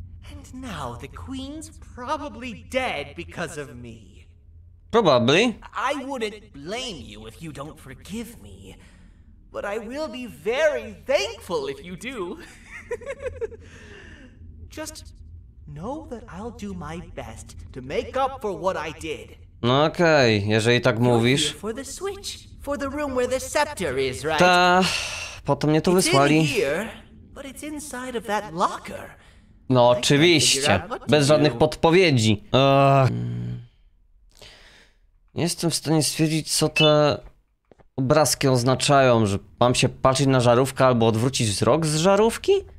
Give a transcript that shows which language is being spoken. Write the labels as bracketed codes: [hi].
[en] And now the queen's probably dead because of me. Probably. I wouldn't blame you if you don't forgive me. But I will be very thankful if you do. Just... know that I'll do my best to make up for what I did. [pl] No okej, jeżeli tak mówisz. [en] For the switch, for the room where the scepter is, right? [pl] Ta, potem mnie tu wysłali. [en] But it's inside of that locker. [pl] No oczywiście, bez żadnych podpowiedzi. Nie jestem w stanie stwierdzić, co te obrazki oznaczają, że mam się patrzeć na żarówkę albo odwrócić wzrok z żarówki?